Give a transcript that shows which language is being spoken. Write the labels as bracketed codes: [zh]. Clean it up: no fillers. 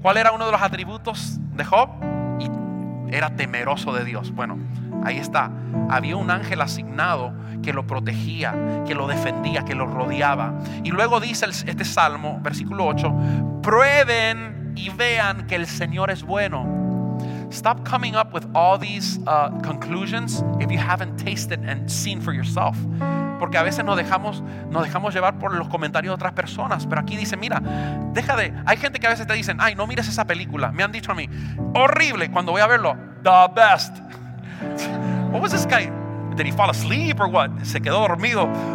[es] ¿Cuál era uno de los atributos de Job? Y era temeroso de Dios. Bueno, ahí está. Había un ángel asignado que lo protegía, que lo defendía, que lo rodeaba. Y luego dice este Salmo, versículo 8, prueben y vean que el Señor es bueno. [en] Stop coming up with all these conclusions if you haven't tasted and seen for yourself. [es] Porque a veces nos dejamos llevar por los comentarios de otras personas. Pero aquí dice, mira, deja de... Hay gente que a veces te dicen, ay, no mires esa película. Me han dicho a mí, horrible, cuando voy a verlo, [en] the best. What was this guy? Did he fall asleep or what? [es] Se quedó dormido.